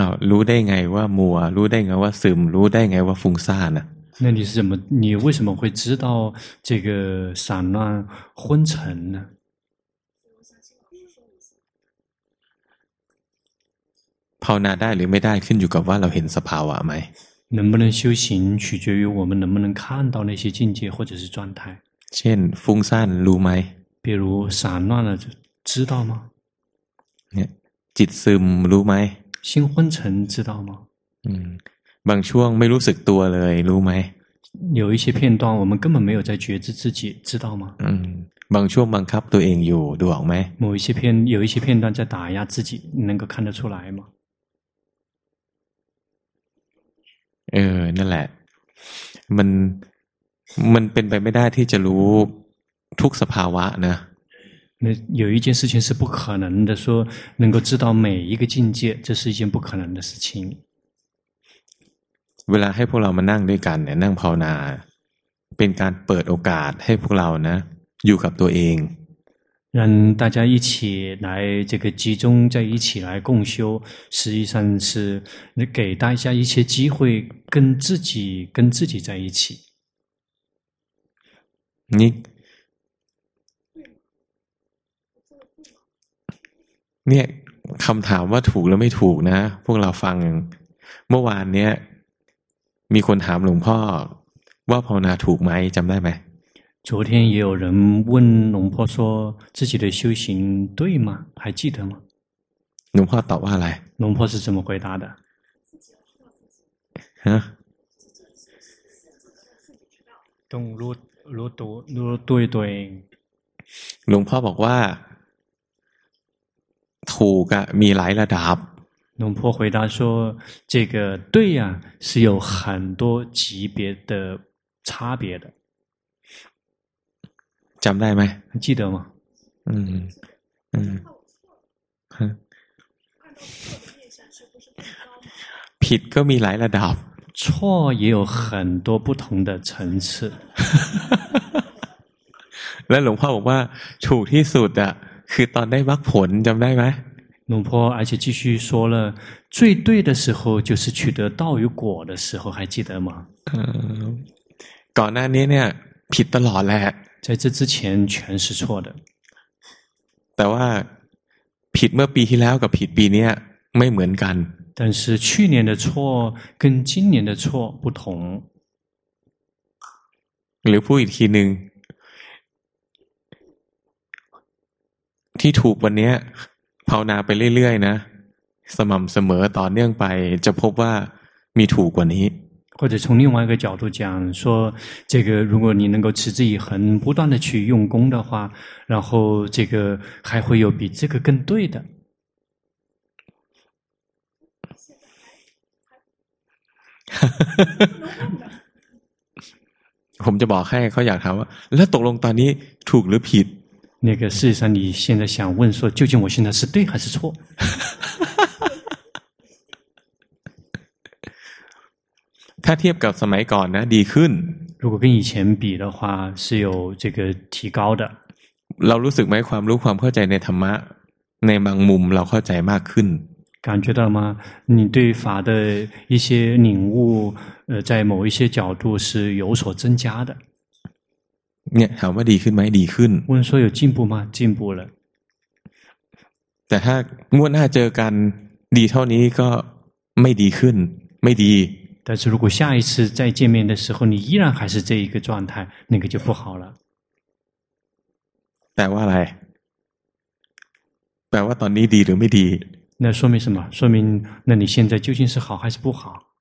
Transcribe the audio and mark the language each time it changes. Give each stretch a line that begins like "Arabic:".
Thai: รู้ได้ไงว่ามัวรู้ได้ไงว่าซึมรู้ได้ไงว่าฟุ้งซ่าน
Chinese: น่ะ那你是怎么你为什么会知道这个散乱昏沉呢
Thai: ภาวนาได้หรือไม่ได้ขึ้นอยู่กับว่าเราเห็นสภาวะไหม
Chinese: 能不能修行取决于我们能不能看到那些境界或者是状态
Thai: เช่นฟุ้งซ่านรู้ไหม
Chinese: 比如散乱了就知道吗
Thai: จิตซึมรู้ไหม
Chinese: 心昏沉知道吗
Thai: บางช่วงไม่รู้สึกตัวเลยรู้ไหม
Chinese: 有一些片段我们根本没有在觉知自己知道吗
Thai: บางช่วงบังคับตัวเองอยู่ดูออกไหม
Chinese: 某一些片有一些片段在打压自己能够看得出来吗
Thai: เออนั่นแหละมันเป็นไปไม่ได้ที่จะรู้ทุกสภาวะนะ
Chinese: 那有一件事情是不可能的说能够知道每一个境界这是一件不可能的事情
Thai: เวลาให้พวกเรามานั่งด้วยกันเนี่ยนั่งภาวนาเป็นการเปิดโอกาสให้พวกเรานะอยู่กับตัวเอง
Chinese: 让大家一起来这个集中在一起来共修实际上是给大家一些机会跟自己在一起
Thai: เนี่ยคำถามว่าถูกหรือไม่ถูกนะพวกเราฟังเมื่อวานเนี้ยมีคนถามหลวงพ่อว่าภาวนาถูกไหมจำได้ไหม
Chinese: 昨天也有人问龙婆说自己的修行对吗还记得吗
Thai: หลวงพ่อตอบว่าอะไร
Chinese: 龙婆是怎么回答的
Thai: ต้องรู้ตัวรู้ด้วยตัวเอง หลวงพ่อบอกว่าถูกอะมีหลายระดับ
Chinese: หลวงพ่อ回答说这个对呀是有很多级别的差别的
Thai: จำได้ไหม
Chinese: 记得吗
Thai: ผิดก็มีหลายระดับ
Chinese: 错也有很多不同的层次
Thai: และหลวงพ่อบอกว่าถูกที่สุดอะคือตอนได้มรรคผลจำได้ไหม
Chinese: 龙婆而且继续说了，最对的时候就是取得道与果的时候，还记得吗？
Thai: ก่อนหน้านี้เนี่ยผิดตลอดแหละ
Chinese: 在这之前全是错的
Thai: แต่ว่าผิดเมื่อปีที่แล้วกับผิดปีนี้ไม่เหมือนกัน
Chinese: 但是去年的错跟今年的错不同
Thai: หรือพูดอีกทีหนึ่งที่ถูกวันนี้ภาวนาไปเรื่อยๆนะสม่ำเสมอต่อเนื่องไปจะพบว่ามีถูกกว่านี้
Chinese: 或者从另外一个角度讲说这个如果你能够持之以恒不断的去用功的话然后这个还会有比这个更对的我们就保开靠养他们那懂了当你处理皮那个事实上你现在想问说究竟我现在是对还是错
Thai: ถ้าเทียบกับสมัยก่อนนะดีขึ้น
Chinese: 如果跟以前比的话是有这个提高的
Thai: เรารู้สึกไหมความรู้ความเข้าใจในธรรมะในบางมุมเราเข้าใจมากขึ้น
Chinese: 感觉到吗你对法的一些领悟在某一些角度是有所增加的
Thai: เนี่ยถามว่าดีขึ้นไหมดีขึ้น
Chinese: 问说有进步吗进步了
Thai: แต่ถ้างวดหน้าเจอกันดีเท่านี้ก็ไม่ดีขึ้นไม่ดี
Chinese: แต่如果下一次再见面的时候你依然还是这一个状态那个就不好了
Thai: แปลว่าอะไรแปลว่าตอนนี้ดีหรือไม่ดี
Chinese: 那说明什么说明那你现在究竟是好还是不好